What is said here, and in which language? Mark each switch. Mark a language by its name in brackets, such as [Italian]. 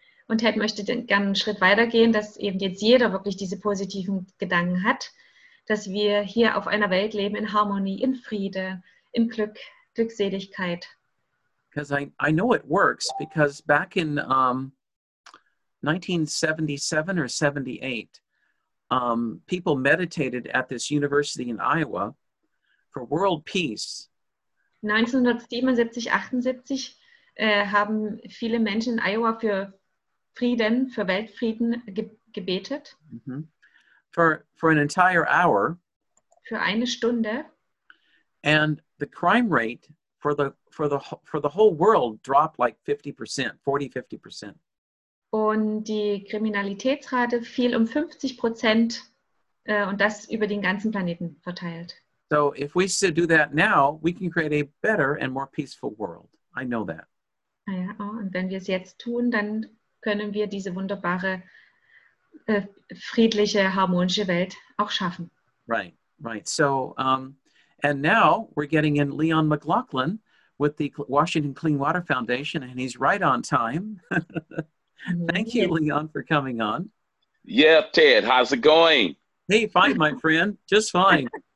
[German] Und Ted möchte gerne einen Schritt weitergehen, dass eben jetzt jeder wirklich diese positiven Gedanken hat, dass wir hier auf einer Welt leben in Harmonie, in Friede, im Glück, Glückseligkeit. [English] Because I know it works, because back in 1977 or 78, people meditated at this university in Iowa for world peace. [German] 1977, 78 haben viele Menschen in Iowa für Frieden, für Weltfrieden gebetet. [English] Mm-hmm. For an entire hour. [German] Für eine Stunde. [English] And the crime rate for the whole world dropped like 50%, 40-50%. [German] Und die Kriminalitätsrate fiel um 50% und das über den ganzen Planeten verteilt. [English] So if we still do that now, we can create a better and more peaceful world. I know that. [German] Ja, und wenn wir es jetzt tun, dann können wir diese wunderbare, friedliche, harmonische Welt auch schaffen. [English] Right, right. So, and now we're getting in Leon McLaughlin with the Washington Clean Water Foundation, and he's right on time. Thank you, Leon, for coming on. Yeah, Ted, how's it going? Hey, fine, my friend. Just fine.